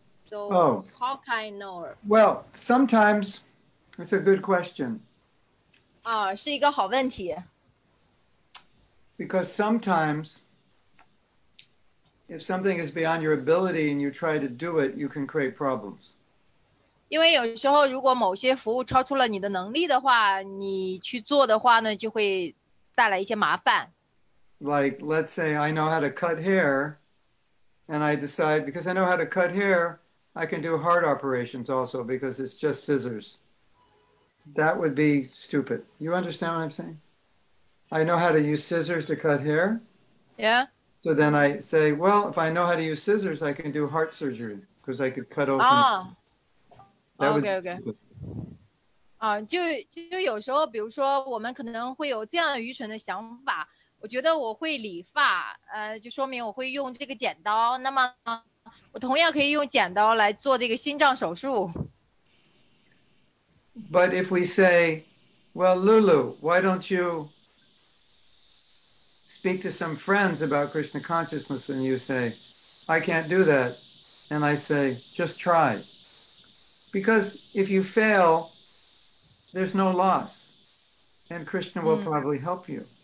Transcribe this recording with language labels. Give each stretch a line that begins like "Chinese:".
English: So how can I know? Well, sometimes it's a good question.
Chinese: 是一个好问题。
English: Because sometimes... If something is beyond your ability and you try to do it, you can create problems.
Chinese: 因为有时候如果某些服务超出了你的能力的话，你去做的话呢，就会带来一些麻烦。
English: Like, let's say I know how to cut hair, and I decide, because I know how to cut hair, I can do heart operations also, because it's just scissors. That would be stupid. You understand what I'm saying? I know how to use scissors to cut hair. Yeah. So then I say, well, if I know how to use scissors, I can do heart surgery because I could cut open. Okay.
Chinese: 就有时候，比如说我们可能会有这样愚蠢的想法，我觉得我会理发，就说明我会用这个剪刀。那么我同样可以用剪刀来做这个心脏手术。
English: But if we say, well, Lulu, why don't you? Speak to some friends about Krishna consciousness, and you say, I can't do that. And I say, just try. Because if you fail, there's no loss, and Krishna will probably help you.